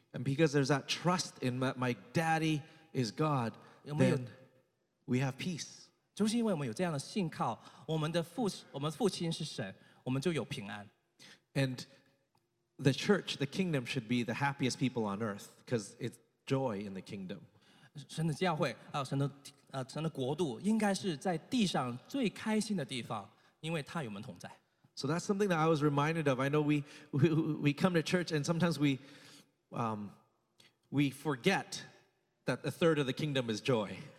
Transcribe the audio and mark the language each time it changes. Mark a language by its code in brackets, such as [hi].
[en] And because there's that trust in my daddy is God, then we have peace. [zh] 就是因为我们有这样的信靠，我们的父亲是神，我们就有平安。 [en] And the church, the kingdom, should be the happiest people on earth because it's joy in the kingdom. [zh] 神的教会，神的国度，应该是在地上最开心的地方，因为他与我们同在。 [en] So that's something that I was reminded of. I know we come to church and sometimes we forget that a third of the kingdom is joy.